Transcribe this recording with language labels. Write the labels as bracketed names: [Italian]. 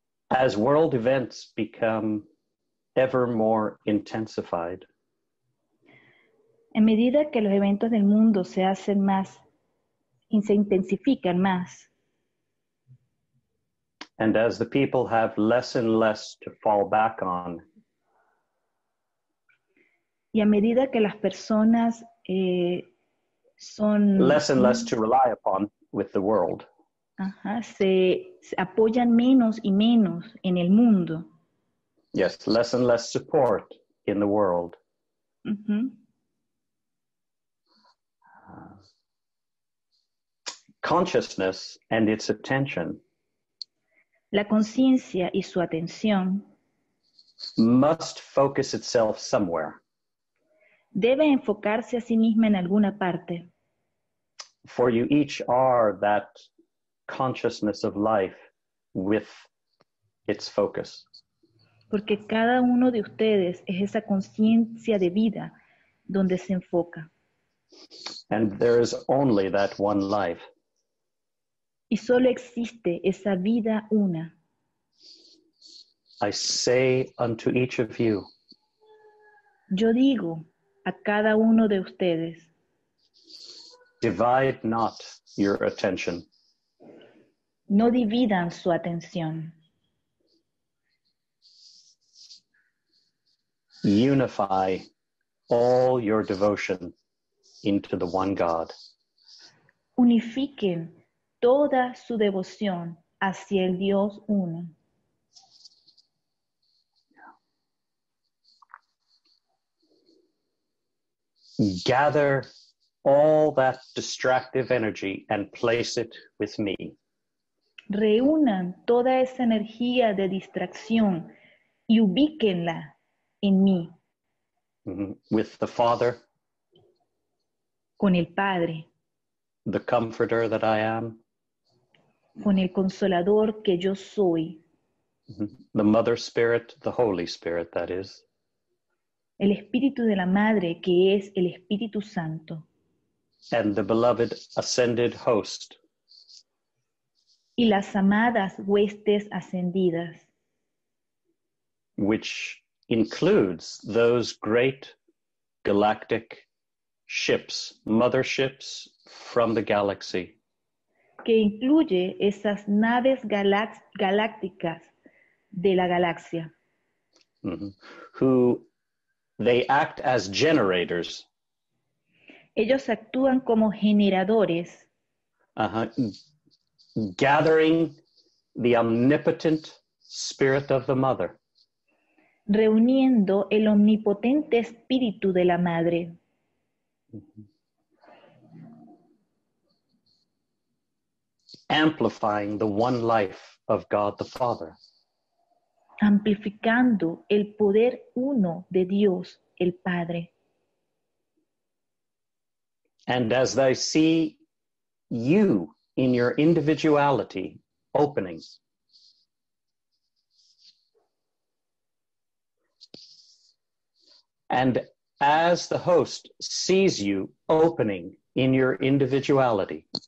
[English] As world events become ever more intensified, [Spanish] en medida que los eventos del mundo se hacen más y se intensifican más, [English] and as the people have less and less to fall back on, [Spanish] y a medida que las personas son [English] less and less to rely upon with the world, [Spanish] se apoyan menos y menos en el mundo. [English] Yes, less and less support in the world. Mm-hmm. Consciousness and its attention. [Spanish] La conciencia y su atención [English] must focus itself somewhere. [Spanish] Debe enfocarse a sí misma en alguna parte. [English] For you each are that consciousness of life with its focus. [Spanish] Porque cada uno de ustedes es esa conciencia de vida donde se enfoca. [English] And there is only that one life. [Spanish] Y solo existe esa vida una. [English] I say unto each of you. [Spanish] Yo digo a cada uno de ustedes. [English] Divide not your attention. [Spanish] No dividan su atención. [English] Unify all your devotion into the one God. [Spanish] Unifiquen toda su devoción hacia el Dios uno. [English] Gather all that distractive energy and place it with me. [Spanish] Reúnan toda esa energía de distracción y ubíquenla en mí. [English] With the Father. [Spanish] Con el Padre. [English] The Comforter that I am. [Spanish] Con el consolador que yo soy. [English] The Mother Spirit, the Holy Spirit, that is. [Spanish] El Espíritu de la Madre, que es el Espíritu Santo. [English] And the beloved ascended host. [Spanish] Y las amadas huestes ascendidas. [English] Which includes those great galactic ships, mother ships from the galaxy. [Spanish] Que incluye esas naves galácticas de la galaxia. [English] Mm-hmm. Who they act as generators. [Spanish] Ellos actúan como generadores. [English] Uh-huh. Gathering the omnipotent spirit of the mother. [Spanish] Reuniendo el omnipotente espíritu de la madre. Mm-hmm. [English] Amplifying the one life of God the Father. [Spanish] Amplificando el poder uno de Dios, el Padre. [English] And as I see you in your individuality opening, and as the host sees you opening in your individuality,